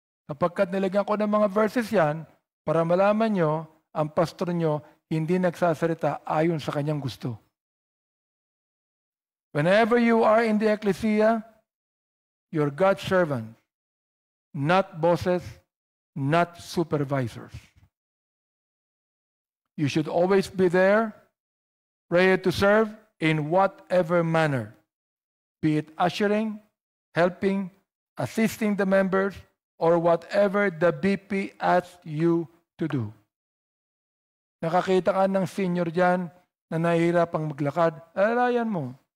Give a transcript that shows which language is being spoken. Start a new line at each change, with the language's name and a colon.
Filipino: Kapagkat nilagyan ko ng mga verses yan, para malaman niyo, ang pastor niyo hindi nagsasalita ayon sa kanyang gusto.
English: Whenever you are in the ecclesia, you're God's servant, not bosses, not supervisors. You should always be there, ready to serve in whatever manner, be it ushering, helping, assisting the members, or whatever the BP asks you to do.
Filipino: Nakakita ka ng senior dyan na nahihirap ang maglakad, alalayan mo.